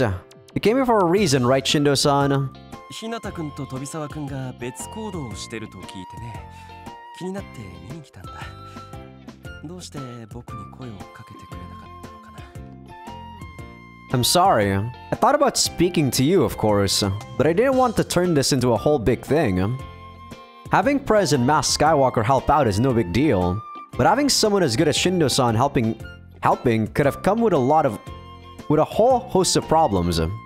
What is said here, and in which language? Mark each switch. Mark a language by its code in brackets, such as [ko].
[en] You came here for a reason, right, Shindo-san? [ja] Hinata-kun to Tobisawa-kun ga betsu kodou o shite ru to kiite ne. 気になって見に来たんだ。どうして僕に声をかけてくれなかったのかな。 [en] I'm sorry. I thought about speaking to you, of course, but I didn't want to turn this into a whole big thing. Having Prez and Masked Skywalker help out is no big deal, but having someone as good as Shindo-san helping could have come with a whole host of problems.